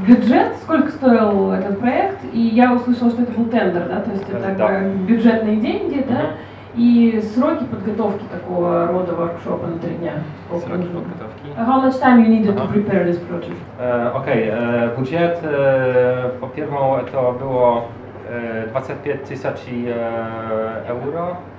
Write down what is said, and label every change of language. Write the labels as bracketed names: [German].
[Russian] Бюджет, сколько стоил этот проект? И я услышала, что это был тендер, да? То есть это бюджетные деньги, да? И сроки подготовки такого рода воркшопа на три дня? Сроки подготовки? [English] How much time you needed to prepare this project? [Russian] Окей, бюджет, по-первому, это было 25 тысяч евро.